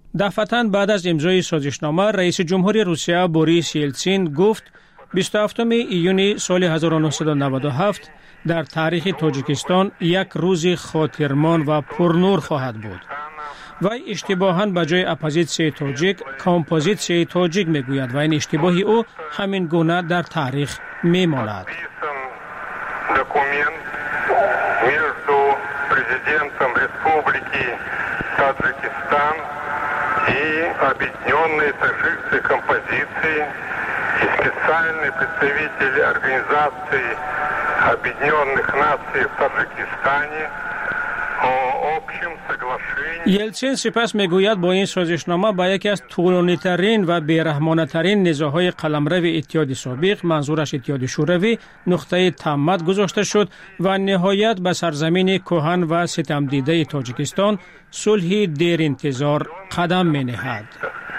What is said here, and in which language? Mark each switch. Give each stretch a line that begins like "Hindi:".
Persian: دفعتن بعد از امضای سازشنامه، رئیس جمهوری روسیه بوریس یلسین گفت 27 ایونی سال 1997 در تاریخ تاجیکستان یک روز خاطرمان و پرنور خواهد بود. و اشتباهاً به جای اپوزیسیای تاجیک کامپوزیسیای تاجیک میگوید و این اشتباهی او همین گونه در تاریخ میماند.
Russian: президентом республики Таджикистан и объединенной таджикской композиции и специальный представитель организации объединенных наций в Таджикистане о общем соглашении.
Tajik: Ельцин сипас мегуяд бо ин созишнома ба яке аз тулонитарин ва бераҳмонатарин низоҳои қаламрави иттиҳоди собиқ, манзураш иттиҳоди шӯравӣ, нуқтаи таъмад гузошта шуд ва ниҳоят ба сарзамини кӯҳан ва ситамдидаи Тоҷикистон сулҳи деринтизор қадам менеҳад.